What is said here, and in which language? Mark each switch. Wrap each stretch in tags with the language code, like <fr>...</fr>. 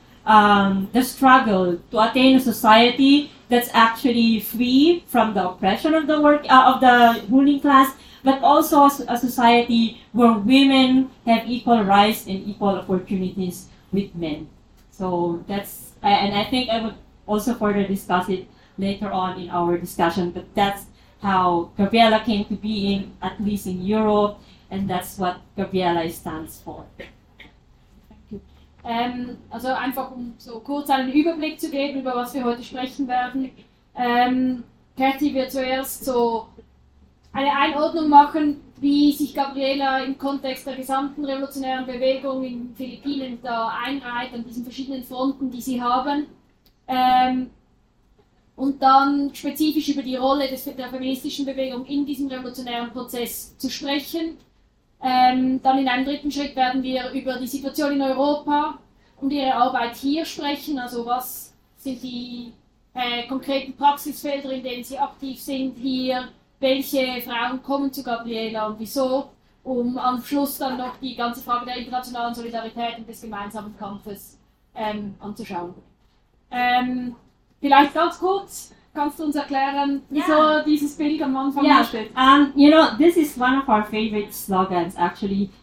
<en>the struggle to attain a society that's actually free from the oppression of the work of the ruling class, but also a society where women have equal rights and equal opportunities with men. So that's, and I think I would also further discuss it later on in our discussion, but that's how Gabriela came to be, in at least in Europe, and that's what Gabriela stands for.</en> <de>Also einfach, um so kurz einen Überblick zu geben, über was wir heute sprechen werden. Kathy wird zuerst so eine Einordnung machen, wie sich Gabriela im Kontext der gesamten revolutionären Bewegung in Philippinen da einreiht, an diesen verschiedenen Fronten, die sie haben. Und dann spezifisch über die Rolle der feministischen Bewegung in diesem revolutionären Prozess zu sprechen. Dann in einem dritten Schritt werden wir über die Situation in Europa und ihre Arbeit hier sprechen, also was sind die konkreten Praxisfelder, in denen sie aktiv sind hier, welche Frauen kommen zu Gabriela und wieso, um am Schluss dann noch die ganze Frage der internationalen Solidarität und des gemeinsamen Kampfes anzuschauen. Vielleicht ganz kurz, kannst du uns erklären, wieso dieses Bild am Anfang steht?</de> <en>This is one of our favorite slogans, actually.</en>